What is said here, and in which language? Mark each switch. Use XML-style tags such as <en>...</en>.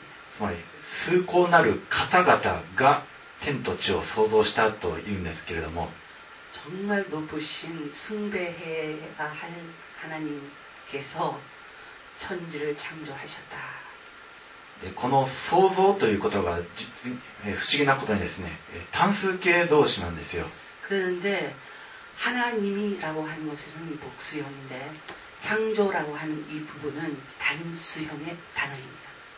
<ja>つまり崇高なる方々が天と地を創造したというんですけれども、</ja> <ko>정말높으신숭배해야할하나님께서천지를창조하셨다。</ko> <ja>でこの創造ということが実に不思議なことにですね、単数形同士なんですよ。</ja> <ko>그런데하나님이라고하는것은복수형인데창조라고하는이부분은단수형의단어입니다。</ko>